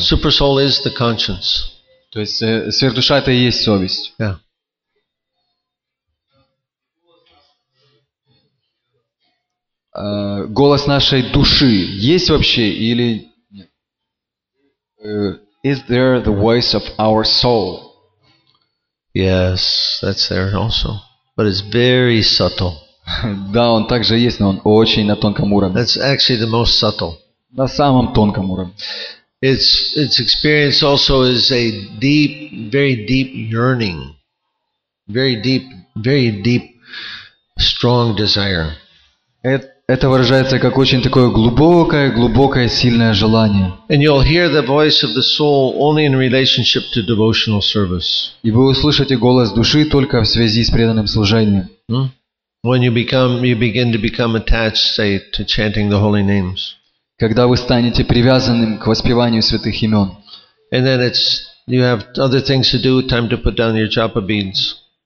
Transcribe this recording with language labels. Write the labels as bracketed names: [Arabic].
[English] Super soul is the conscience. [Russian] То есть сверхдуша это и есть совесть. [English] Yeah. [Russian] Голос нашей души есть вообще или нет? [English] Is there the voice of our soul? Yes, that's there also, but it's very subtle. [Russian] Да, он также есть, но он очень на тонком уровне. [English] That's actually the most subtle. [Russian] На самом тонком уровне. [English] Its experience also is a deep, very deep yearning. Very deep, strong desire. [Russian] Это выражается как очень такое глубокое, глубокое, сильное желание. [English] And you'll hear the voice of the soul only in relationship to devotional service. [Russian] И вы услышите голос души только в связи с преданным служением. [English] When you begin to become attached, say, to chanting the holy names. [Russian] Когда вы станете привязанным к воспеванию святых имен. [English] And then it's you have other things to do, time to put down your japa beads.